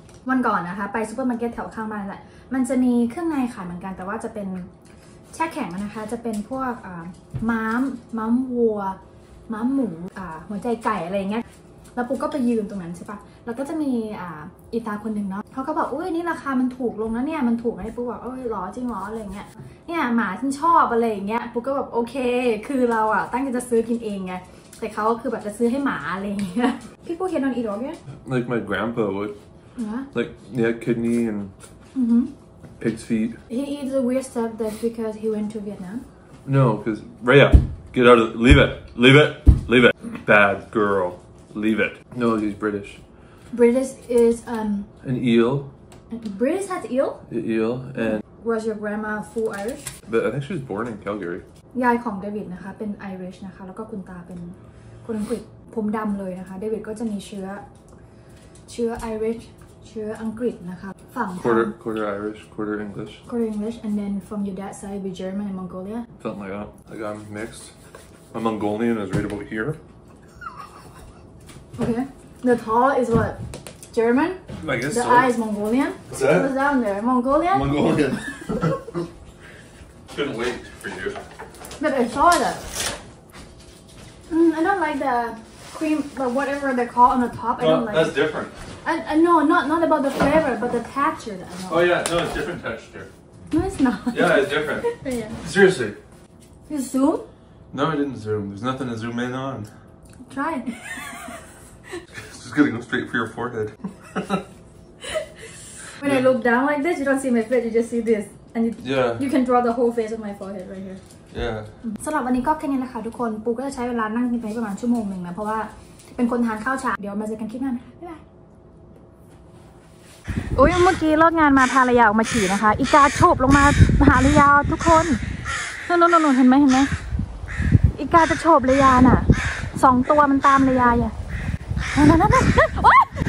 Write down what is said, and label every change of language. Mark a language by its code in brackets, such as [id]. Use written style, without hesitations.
[th] วันก่อนนะคะไปซูเปอร์มาร์เก็ตแถวข้างบ้านแหละมันจะมีเครื่องในขายเหมือนกันแต่ว่าจะเป็นแช่แข็งนะคะจะเป็นพวกม้ามวัวม้ามหมูหัวใจไก่อะไรเงี้ยแล้วปุ๊กก็ไปยืนตรงนั้นใช่ปะแล้วก็จะมีอีตาคนหนึ่งเนาะเขาก็บอกอุ้ยนี่ราคามันถูกลงนะเนี่ยมันถูกไหมปุ๊กบอกเอ้ยหรอจริงหรออะไรเงี้ยเนี่ยหมาฉันชอบอะไรเงี้ยปุ๊กก็แบบโอเคคือเราอ่ะตั้งใจจะซื้อกินเองไงแต่เขาคือแบบจะซื้อให้หมาอะไรเงี้ยพี่ปุ๊กเห็นนอนอีดอกเนี่ย [en] like my grandpa would like yeah kidney and pig's feet he eats the weird stuff that's because he went to Vietnam no because Raya get out of leave it bad girl leave it no he's British is an eel British has eel and was your grandma full Irish but I think she was born in Calgary [th] ยายของเดวิดนะคะเป็น Irish นะคะแล้วก็คุณตาเป็นคนอังกฤษผมดำเลยนะคะเดวิดก็จะมีเชื้อ Irish เชื้ออังกฤษนะคะฝั่ง [en] quarter Irish quarter English and then from your dad's side be German and Mongolia something like that like I'm mixed my Mongolian is right about here okay the tall is what German I guess the so the eye is Mongolian what's down there Mongolian couldn't wait for you but I saw that I don't like the cream but whatever they call on the top I don't like that's different I know, not about the flavor, but the texture that I know. Oh yeah, no, it's different texture. No, it's not. Yeah, it's different. Yeah. Seriously. You zoom? No, I didn't zoom. There's nothing to zoom in on. Try. It's just gonna go straight for your forehead. When yeah. I look down like this, you don't see my face, you just see this. And you can draw the whole face of my forehead right here. Yeah. [th] สำหรับวันนี้ก็แค่นี้แหละค่ะทุกคนปูก็จะใช้เวลานั่งกินไปประมาณชั่วโมงหนึ่งนะเพราะว่าเป็นคนทานข้าวช้าเดี๋ยวมาเจอกันคลิปหน้านะบ๊ายบายโอ้ยเมื่อกี้เลิกงานมาพาระยาออกมาฉี่นะคะอีกาโฉบลงมาหาระยาทุกคนนู่นๆๆเห็นไหมอีกาจะโฉบระยาน่ะสองตัวมันตามระยาอย่างนั่นโอ๊ย